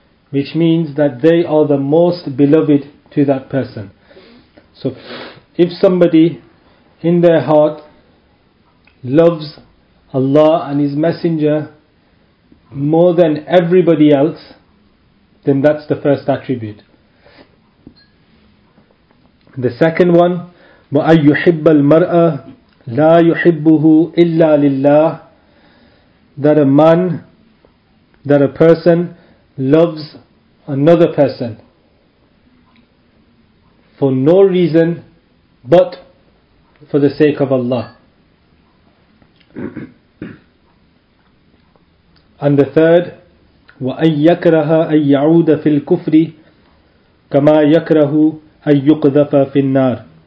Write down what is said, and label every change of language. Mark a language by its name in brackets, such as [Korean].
[English] Which means that they are the most beloved to that person. So if somebody in their heart loves Allah and His Messenger more than everybody else, then that's the first attribute. The second one, [Arabic] وَأَنْ يُحِبَّ الْمَرْأَ لَا يُحِبُّهُ إِلَّا لِلَّهِ. [English] That a man, that a person loves another person for no reason but for the sake of Allah. And the third, [Arabic] وَأَنْ يَكْرَهَ أَنْ يَعُودَ فِي الْكُفْرِ كَمَا يَكْرَهُ أَيُّقْذَفَ فِي النَّارِ.